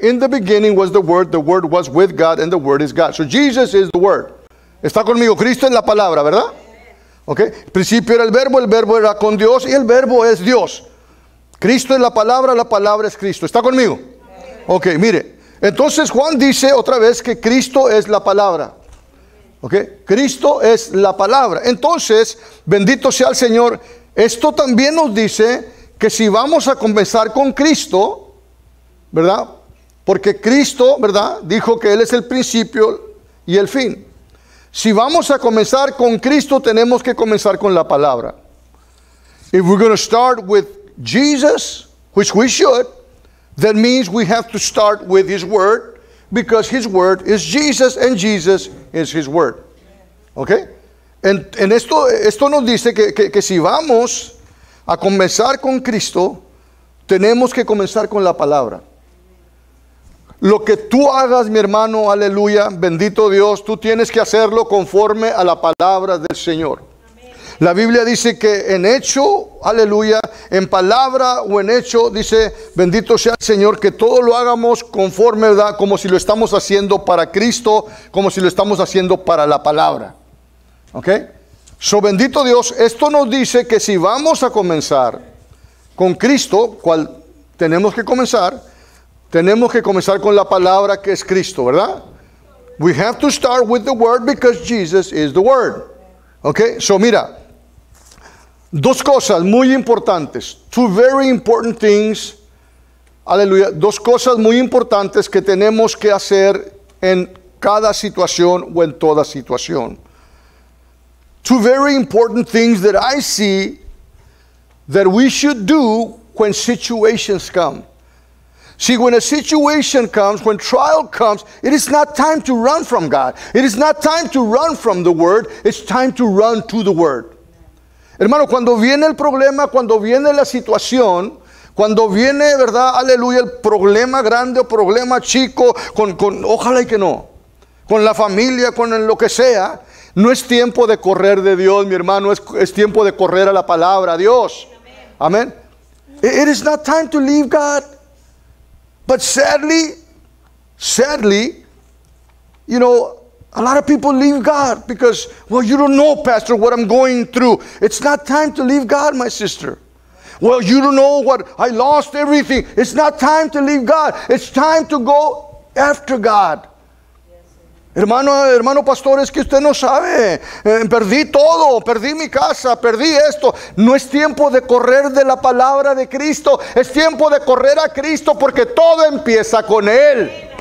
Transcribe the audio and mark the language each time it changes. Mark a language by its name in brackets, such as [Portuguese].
[English] In the beginning was the Word was with God, and the Word is God. So Jesus is the Word. [Spanish] Está conmigo. Cristo es la palabra, ¿verdad? Okay. El principio era el verbo era con Dios, y el verbo es Dios. Cristo es la palabra es Cristo. ¿Está conmigo? Ok, mire. Entonces Juan dice otra vez que Cristo es la palabra. Ok, Cristo es la palabra. Entonces, bendito sea el Señor, esto también nos dice que si vamos a comenzar con Cristo, ¿verdad? Porque Cristo, ¿verdad? Dijo que Él es el principio y el fin. Si vamos a comenzar con Cristo, tenemos que comenzar con la palabra. [English] If we're going to start with Jesus, which we should, that means we have to start with His Word, because His Word is Jesus, and Jesus is His Word. [Spanish] ¿Ok? En esto, esto nos dice que si vamos a comenzar con Cristo, tenemos que comenzar con la palabra. Lo que tú hagas, mi hermano, aleluya, bendito Dios, tú tienes que hacerlo conforme a la palabra del Señor. La Biblia dice que en hecho, aleluya, en palabra o en hecho, dice, bendito sea el Señor, que todo lo hagamos conforme, ¿verdad? Como si lo estamos haciendo para Cristo, como si lo estamos haciendo para la palabra. ¿Ok? So, bendito Dios, esto nos dice que si vamos a comenzar con Cristo, cual tenemos que comenzar, tenemos que comenzar con la palabra que es Cristo, ¿verdad? [English] We have to start with the Word because Jesus is the Word. [Spanish] ¿Ok? So, mira, dos cosas muy importantes, [English] two very important things, [Spanish] aleluya, dos cosas muy importantes que tenemos que hacer en cada situación o en toda situación. [English] Two very important things that I see that we should do when situations come. See, when a situation comes, when trial comes, it is not time to run from God. It is not time to run from the Word. It's time to run to the Word. [Spanish] Hermano, cuando viene el problema, cuando viene la situación, cuando viene, ¿verdad? Aleluya, el problema grande o problema chico, con ojalá y que no, con la familia, con lo que sea, no es tiempo de correr de Dios, mi hermano, es tiempo de correr a la palabra, a Dios. [English] Amén. It is not time to leave God. But sadly, you know, a lot of people leave God because, well, you don't know, Pastor, what I'm going through. It's not time to leave God, my sister. Well, you don't know what, I lost everything. It's not time to leave God. It's time to go after God. [Spanish] Hermano, hermano pastor, es que usted no sabe. Perdí todo, perdí mi casa, perdí esto. No es tiempo de correr de la palabra de Cristo. Es tiempo de correr a Cristo porque todo empieza con Él.